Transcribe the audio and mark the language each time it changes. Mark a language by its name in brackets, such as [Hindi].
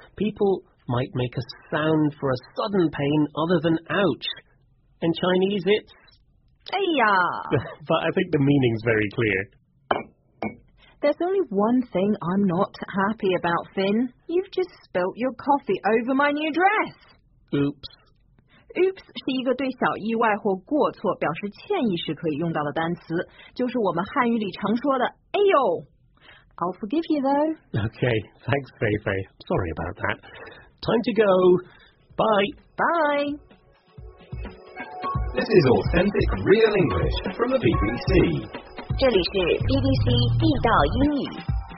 [English] People might make a sound for a sudden pain other than ouch. In Chinese, it's... [Chinese] 哎呀! [English] But I think the meaning's very clear. There's only one thing I'm not happy about, Finn. You've just spilt your coffee over my new dress. Oops. [Chinese] Oops 是一个对小意外或过错表示歉意时可以用到的单词，就是我们汉语里常说的“哎呦”。 [English] I'll forgive you though. Okay, thanks, Fei-Fei. Sorry about that. Time to go. Bye. Bye. This is authentic real English from the BBC. [Chinese] 这里是 BBC 地道英语。